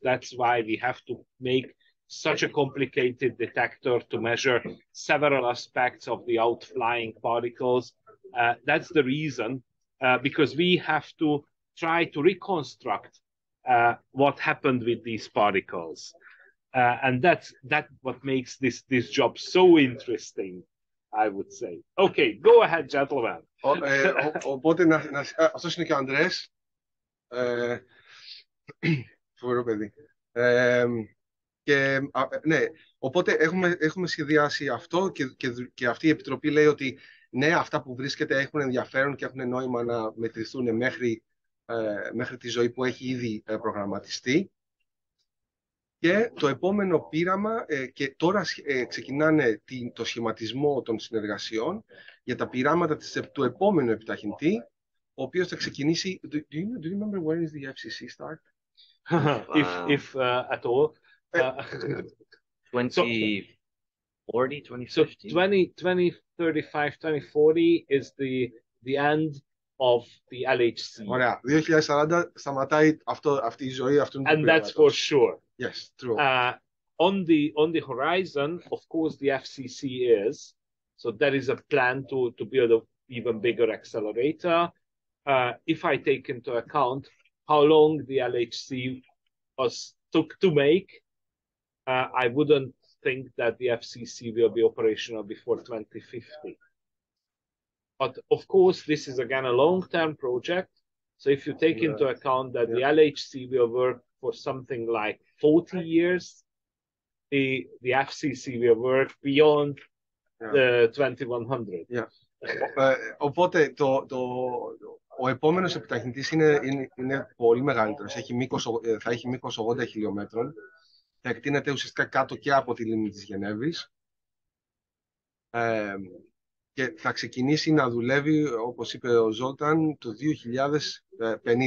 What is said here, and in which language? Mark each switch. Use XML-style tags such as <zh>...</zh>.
<en>That's why we have to make such a complicated detector to measure several aspects of the outflying particles. That's the reason, because we have to try to reconstruct what happened with these particles. And that's what makes this job so interesting, I would say. Okay, go ahead, gentlemen.</en> <el>Οπότε, να σας ρωτήσω και ο Ανδρέας. Φοβερό παιδί. Και ναι, οπότε έχουμε σχεδιάσει αυτό και αυτή η επιτροπή λέει ότι ναι, αυτά που βρίσκεται έχουν ενδιαφέρον και έχουν νόημα να μετρηθούν μέχρι τη ζωή που έχει ήδη προγραμματιστεί. Και το επόμενο πείραμα, και τώρα ξεκινάνε το σχηματισμό των συνεργασιών για τα πειράματα του επόμενου επιταχυντή, ο οποίος θα ξεκινήσει...</el> <en>Do you remember when is the FCC start? If at all. 2040, 2050? So 2035, 2040 is the end of the LHC.</en> <el>Ωραία, 2040 σταματάει αυτή η ζωή, αυτού.</el> <en>And that's for sure. Yes, true. On the horizon, of course, the FCC is. So there is a plan to build an even bigger accelerator. If I take into account how long the LHC took to make, I wouldn't think that the FCC will be operational before 2050. But of course, this is again a long-term project. So if you take into account that the LHC will work for something like 40 years, the FCC will work beyond the 2100. Yeah.</en> <el>Οπότε ο επόμενος επιταχυντής είναι πολύ μεγαλύτερος. Θα έχει μήκος 80 χιλιόμετρων. Θα εκτείνεται ουσιαστικά κάτω και από τη λίμνη της Γενέβης. Και θα ξεκινήσει να δουλεύει, όπως είπε ο Ζόλταν, το 2050.</el>